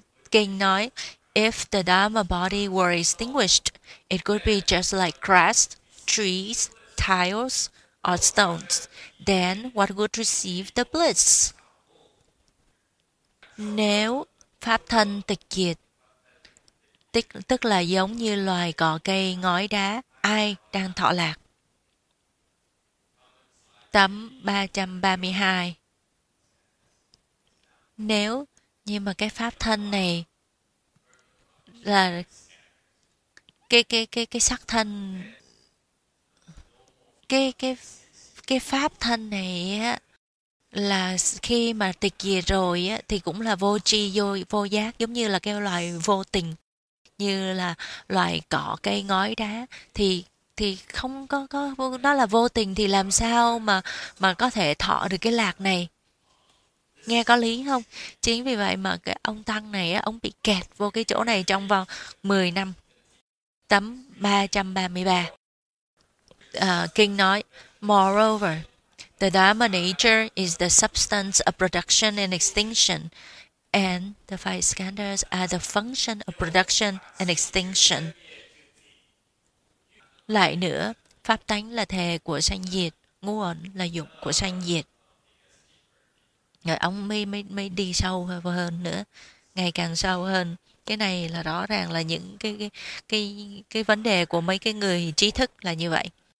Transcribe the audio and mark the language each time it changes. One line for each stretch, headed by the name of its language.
Vietnamese: Kinh nói:
English: If the Dharma body were extinguished, it could be just like grass, trees, tiles or stones. Then what would receive the bliss?
Vietnamese: Nếu pháp thân tịch diệt, tức là giống như loài cỏ cây ngói đá, ai đang thọ lạc? Tấm 332. Nếu như mà cái pháp thân này là cái sắc thân, cái pháp thân này á, là khi mà tịch diệt rồi á, thì cũng là vô tri vô giác, giống như là cái loài vô tình, như là loài cỏ cây ngói đá, thì không có nó là vô tình, thì làm sao mà có thể thọ được cái lạc này? Nghe có lý không? Chính vì vậy mà cái ông tăng này á, ông bị kẹt vô cái chỗ này trong vòng 10 năm. Tấm 333. Kinh nói:
English: Moreover, the Dharma nature is the substance of production and extinction, and the five skandhas are the function of production and extinction.
Vietnamese: Lại nữa, pháp tánh là thề của sanh diệt, ngũ uẩn là dục của sanh diệt. Rồi ông mới đi sâu hơn nữa, ngày càng sâu hơn. Cái này là rõ ràng là những cái vấn đề của mấy cái người trí thức là như vậy.